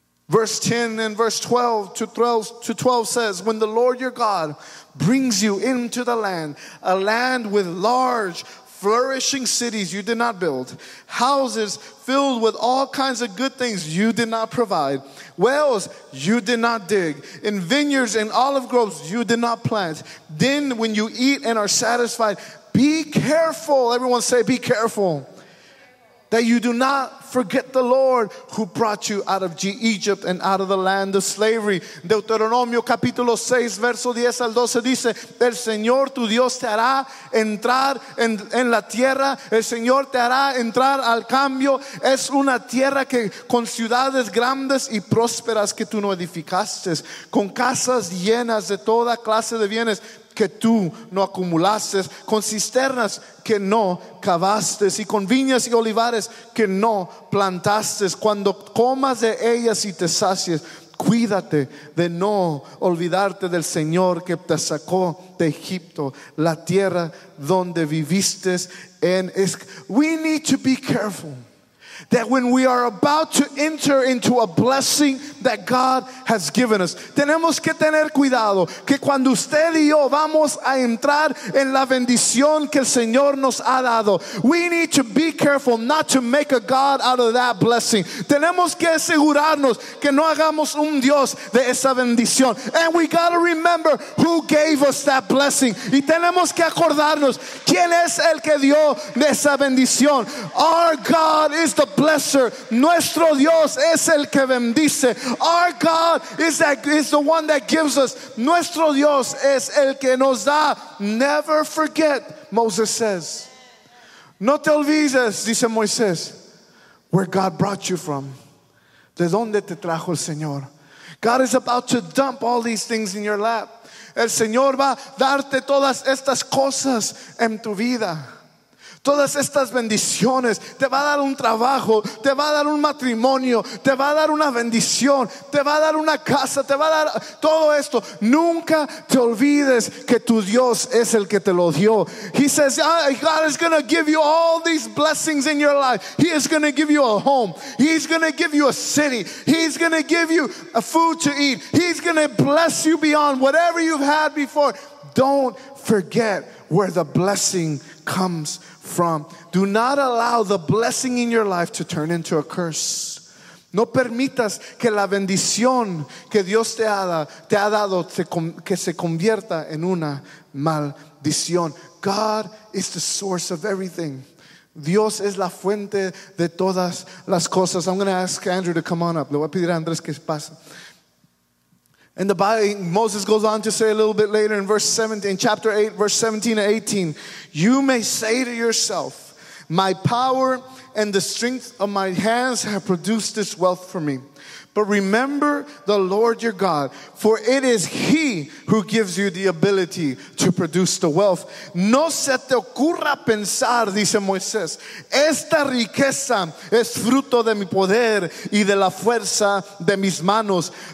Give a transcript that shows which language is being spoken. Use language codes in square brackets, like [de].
[en] Verse 10 and verse 12 to 12 says, when the Lord your God brings you into the land, a land with large, flourishing cities you did not build, houses filled with all kinds of good things you did not provide, wells you did not dig, in vineyards and olive groves you did not plant, then when you eat and are satisfied, be careful. Everyone say, be careful. Be careful. that you do not forget the Lord who brought you out of Egypt and out of the land of slavery. [es] Deuteronomio capítulo 6, verso 10 al 12 dice, el Señor tu Dios te hará entrar en la tierra, el Señor te hará entrar al cambio, es una tierra que con ciudades grandes y prósperas que tú no edificaste, con casas llenas de toda clase de bienes que tú no acumulaste, con cisternas que no cavaste y con viñas y olivares que no plantaste. Cuando comas de ellas y te sacies, cuídate de no olvidarte del Señor que te sacó de Egipto, la tierra donde viviste. [en] We need to be careful that when we are about to enter into a blessing that God has given us. [es] Tenemos que tener cuidado que cuando usted y yo vamos a entrar en la bendición que el Señor nos ha dado, [en] we need to be careful not to make a God out of that blessing. [es] Tenemos que asegurarnos que no hagamos un Dios de esa bendición. [en] And we got to remember who gave us that blessing. [es] Y tenemos que acordarnos quién es el que dio de esa bendición. [en] Our God is the blesser. [es] Nuestro Dios es el que bendice. [en] Our God is the one that gives us. [es] Nuestro Dios es el que nos da. [en] Never forget, Moses says. [es] No te olvides, dice Moisés, [en] where God brought you from. [es] De donde te trajo el Señor. [en] God is about to dump all these things in your lap. [es] El Señor va a darte todas estas cosas en tu vida. Todas estas bendiciones, te va a dar un trabajo, te va a dar un matrimonio, te va a dar una bendición, te va a dar una casa, te va a dar todo esto. Nunca te olvides que tu Dios es el que te lo dio. [en] He says, God is going to give you all these blessings in your life. He is going to give you a home. He's going to give you a city. He's going to give you a food to eat. He's going to bless you beyond whatever you've had before. Don't forget where the blessing comes from. Do not allow the blessing in your life to turn into a curse. [es] No permitas que la bendición que Dios te ha dado que se convierta en una maldición. [en] God is the source of everything. [es] Dios es la fuente de todas las cosas. [en] I'm going to ask Andrew to come on up. [es] Le voy a pedir a Andrés que pase. [en] And the Bible, Moses goes on to say a little bit later in verse 17, in chapter 8, verse 17 to 18, you may say to yourself, my power and the strength of my hands have produced this wealth for me. But remember the Lord your God, for it is He who gives you the ability to produce the wealth. [es] No se te ocurra pensar, dice Moisés, esta riqueza es fruto de mi poder y de la fuerza de mis manos.